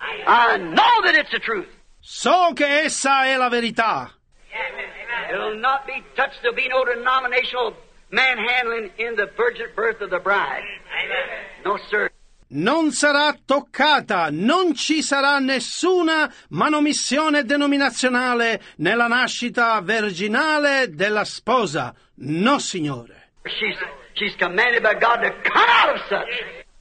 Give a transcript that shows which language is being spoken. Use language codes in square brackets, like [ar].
[en] I know that it's the truth. [it] So che essa è la verità. [en] Yeah, it'll not be touched, there'll be no denominational manhandling in the virgin birth of the bride. Amen. No, sir. [it] Non sarà toccata, non ci sarà nessuna manomissione denominazionale nella nascita virginale della sposa. No, signore. [en] She's commanded by God to come out of such.